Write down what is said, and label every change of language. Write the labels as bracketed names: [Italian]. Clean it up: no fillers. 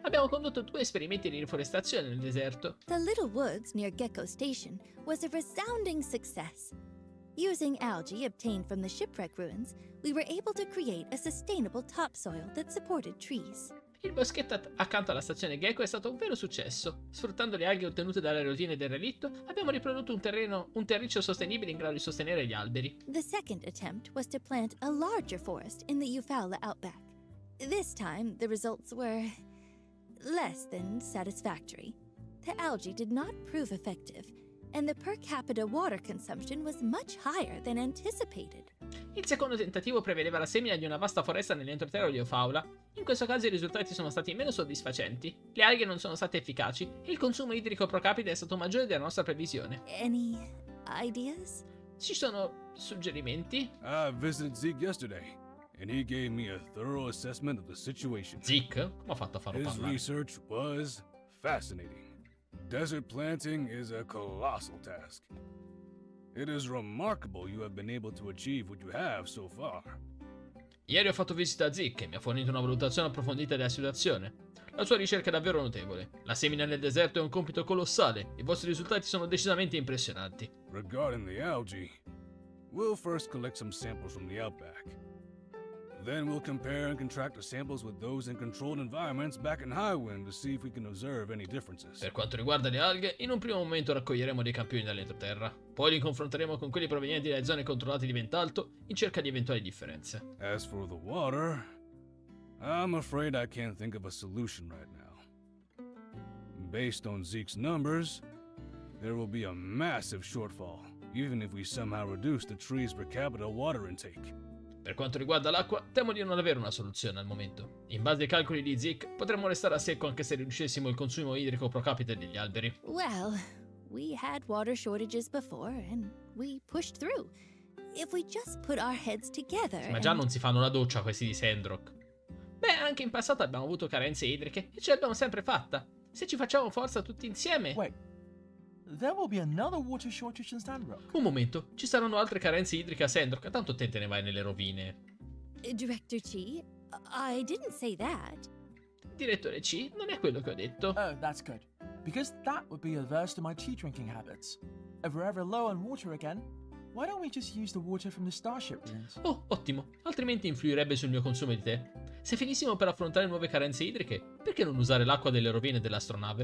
[Italian] Abbiamo condotto due esperimenti di riforestazione nel deserto. [English] The Little Woods near Gecko Station was a resounding success. Using algae obtained from the shipwreck ruins, we were able to create a sustainable topsoil that supported trees. [Italian] Il boschetto accanto alla stazione Gecko è stato un vero successo. Sfruttando le alghe ottenute dalle rovine del relitto, abbiamo riprodotto un terriccio sostenibile in grado di sostenere gli alberi. [English] The second attempt was to plant a larger forest in the Eufaula outback. This time, the results were less than satisfactory. The algae did not prove effective, and the per capita water consumption was much higher than anticipated. [Italian] Il secondo tentativo prevedeva la semina di una vasta foresta nell'entroterra di Eufaula. In questo caso i risultati sono stati meno soddisfacenti. Le alghe non sono state efficaci e il consumo idrico pro capita è stato maggiore della nostra previsione. [English] Any ideas? [Italian] Ci sono suggerimenti? [English] I visited Zeke yesterday and he gave me a thorough assessment of the situation. [Italian] Zeke? Come ha fatto a farlo [English] His [Italian] parlare? [English] His research was fascinating. Desert planting is a colossal task. It is remarkable you have been able to achieve what you have so far. [Italian] Ieri ho fatto visita a Zeke e mi ha fornito una valutazione approfondita della situazione. La sua ricerca è davvero notevole. La semina nel deserto è un compito colossale. I vostri risultati sono decisamente impressionanti. [English] Regarding the algae, we'll first collect some samples from the outback. Then we'll compare and contrast the samples with those in controlled environments back in Highwind to see if we can observe any differences. [Italian] Per quanto riguarda le alghe, in un primo momento raccoglieremo dei campioni dall'entroterra. Poi li confronteremo con quelli provenienti dalle zone controllate di Ventalto in cerca di eventuali differenze. [English] As for the water, I'm afraid I can't think of a solution right now. Based on Zeke's numbers, there will be a massive shortfall, even if we somehow reduce the tree's per capita water intake. [Italian] Per quanto riguarda l'acqua, temo di non avere una soluzione al momento. In base ai calcoli di Zeke, potremmo restare a secco anche se riducessimo il consumo idrico pro capite degli alberi. [English] Well, we had water shortages before and we pushed through. If we just put our heads together. [Italian] Ma già non si fanno la doccia questi di Sandrock. Beh, anche in passato abbiamo avuto carenze idriche e ce l'abbiamo sempre fatta. Se ci facciamo forza tutti insieme. [English] Wait. There will be another water shortage in Sandrock. [Italian] Un momento, ci saranno altre carenze idriche a Sandrock, tanto te ne vai nelle rovine. [English] Director Chi, I didn't say that. [Italian] Direttore Chi, non è quello che ho detto. [English] Oh, that's good. Because that would be adverse to my tea drinking habits. If we're ever low on water again, why don't we just use the water from the starship rooms? [Italian] Oh, ottimo. Altrimenti influirebbe sul mio consumo di tè. Se finissimo per affrontare nuove carenze idriche, perché non usare l'acqua delle rovine dell'astronave?